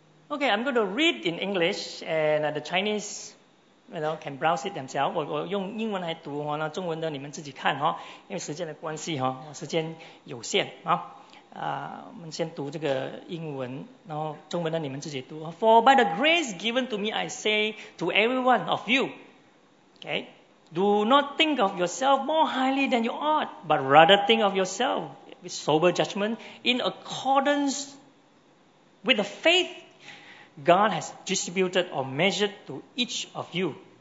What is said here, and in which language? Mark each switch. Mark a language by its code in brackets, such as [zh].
[en] Okay, I'm going to read in English and the Chinese, you know, can browse it themselves. [zh] 我用英文来读，那中文的你们自己看，因为时间的关系，时间有限。我们先读这个英文，然后中文的你们自己读。 [en] For by the grace given to me, I say to every one of you, okay, do not think of yourself more highly than you ought, but rather think of yourself with sober judgment in accordance with the faith God has distributed or measured to each of you.